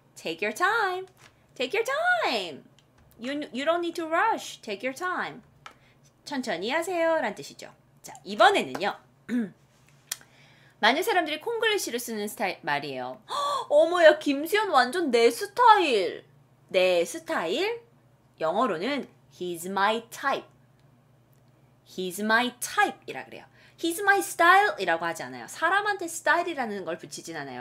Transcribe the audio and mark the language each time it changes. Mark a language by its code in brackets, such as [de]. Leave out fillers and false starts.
[en] Take your time. Take your time. You don't need to rush. Take your time. [ko] 천천히 하세요 라는 뜻이죠. 자, 이번에는요. 많은 사람들이 콩글리시를 쓰는 스타일 말이에요. 어머야 김수현 완전 내 스타일. 내 스타일? [en] 영어로는 he's my type. He's my type 이라 그래요. [ko] He's my style 이라고 하지 않아요. 사람한테 스타일이라는 걸 붙이진 않아요.